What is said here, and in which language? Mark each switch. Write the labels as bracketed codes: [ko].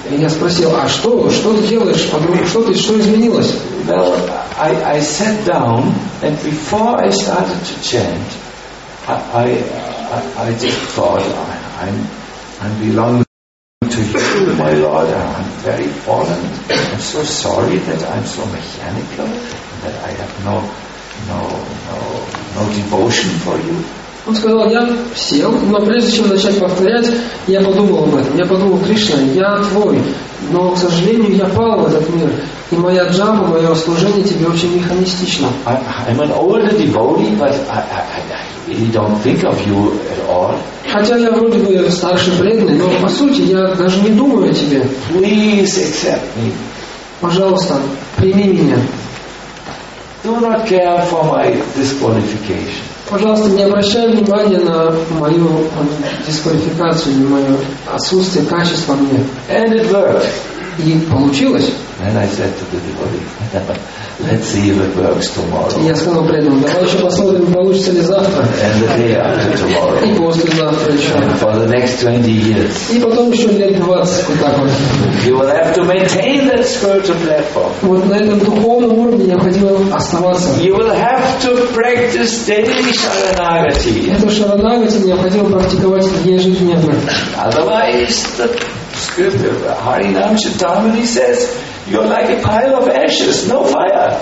[ru] И я спросил, а что ты делаешь, подруга, что изменилось? [en] Well, I sat down, and before I started to chant, I just thought, I'm belonging to you, my Lord, I'm very fallen. I'm so sorry that I'm so mechanical, that I have no devotion for you. [ru] Он сказал, я сел, но прежде чем начать повторять, я подумал об этом. Я подумал, Кришна, я твой, но, к сожалению, я пал в этот мир. И моя джапа, мое служение тебе очень механистично. [en] I'm an older devotee, but I don't think of you at all. [ru] Хотя я вроде бы старше преданный, но, по сути, я даже не думаю о тебе. [en] Please accept me. [ru] Пожалуйста, прими меня. [en] Do not care for my disqualification. [ru] Пожалуйста, не обращай внимания на мою дисквалификацию, на мое отсутствие качества мне. [en] And it worked. [ru] И получилось. [en] And I said to the devotee, let's see if it works tomorrow. [ru] И я сказал преданному, давай еще посмотрим, получится ли завтра. [en] And the day after tomorrow. [ru] И послезавтра еще. [en] And for the next 20 years. [ru] И потом еще лет 20, вот так вот. [en] You will have to maintain that spiritual platform. [ru] Вот на этом духовном уровне необходимо оставаться. [en] You will have to practice daily шаранагати. [ru] Эту шаранагати необходимо практиковать ежедневно. [en] Otherwise, the scripture, Харинам Читамани says, you're like a pile of ashes, no fire.